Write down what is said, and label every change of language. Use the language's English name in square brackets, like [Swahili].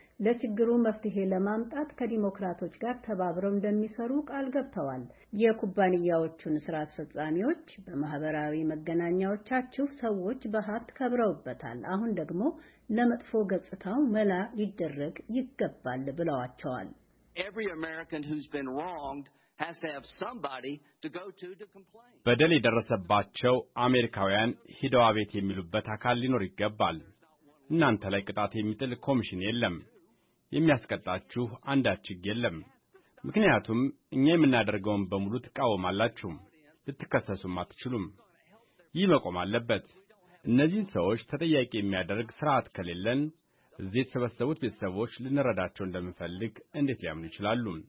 [Amharic] ለችግሩ መፍትሄ ለማምጣት ከዲሞክራቶች ጋር ተባብረው እንደሚሰሩ ቃል ገብተዋል። የኩባንያዎቹን ስራ አስፈጻሚዎች በማህበራዊ መገናኛዎቻቸው ሰዎች በሀብት ከብረውበታል፣ አሁን ደግሞ ለመጥፎ ገጽታው መላ ሊደረግ ይገባል ብለዋቸዋል። [English] Every American who's been wronged has to have somebody to complain. [Amharic] በደል የደረሰባቸው አሜሪካውያን ሂደው አቤት የሚሉበት አካል ሊኖር ይገባል። እናንተ ላይ ቅጣት የሚጥል ኮሚሽን የለም። የሚያስቀጣችሁ አንዳች የለም። ምክንያቱም እኛ የምናደርገውን በሙሉ ተቃወማላችሁ፣ ልትከሰሱም አትችሉም። ይህ መቆም አለበት። እነዚህ ሰዎች ተጠያቂ የሚያደርግ ስርዓት ከሌለን እዚህ ተሰብስበው ቤተሰቦች ልንረዳቸው እንደምንፈልግ እንዴት ሊያምኑ ይችላሉ?